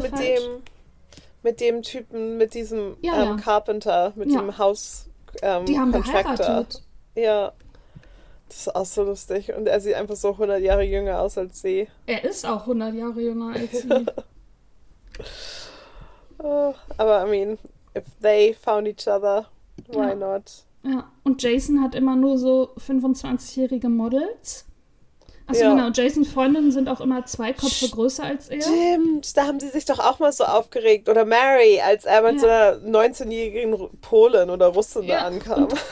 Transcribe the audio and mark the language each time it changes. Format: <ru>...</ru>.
<de>mit falsch. mit dem Typen, mit diesem Carpenter, mit dem Haus</de> <en>Contractor.</en> <de>Ja. Das ist auch so lustig. Und er sieht einfach so 100 Jahre jünger aus als sie. Er ist auch 100 Jahre jünger als sie.</de> <en>Aber I mean, if they found each other, why not?</en> <de>Ja, und Jason hat immer nur so 25-jährige Models. Achso, genau. Jason Freundinnen sind auch immer 2 Köpfe größer als er. Stimmt, da haben sie sich doch auch mal so aufgeregt. Oder Mary, als er mit so einer 19-jährigen Polin oder Russin da ankam. Und</de>